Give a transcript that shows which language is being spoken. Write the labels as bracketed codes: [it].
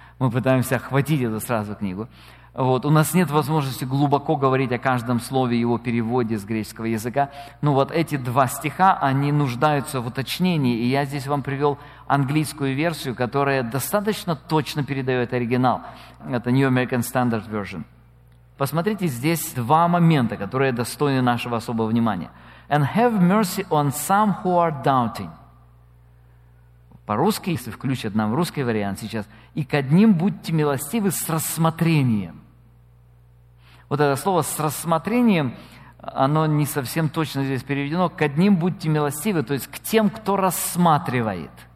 [ru] Мы пытаемся охватить эту сразу книгу. Вот. У нас нет возможности глубоко говорить о каждом слове и его переводе с греческого языка. Но вот эти два стиха, они нуждаются в уточнении. И я здесь вам привел английскую версию, которая достаточно точно передает оригинал. Это New American Standard Version. Посмотрите, здесь два момента, которые достойны нашего особого внимания. [en] And have mercy on some who are doubting. [ru] По-русски, если включат нам русский вариант сейчас, и к одним будьте милостивы с рассмотрением. Вот это слово «с рассмотрением», оно не совсем точно здесь переведено. К одним будьте милостивы, то есть к тем, кто рассматривает.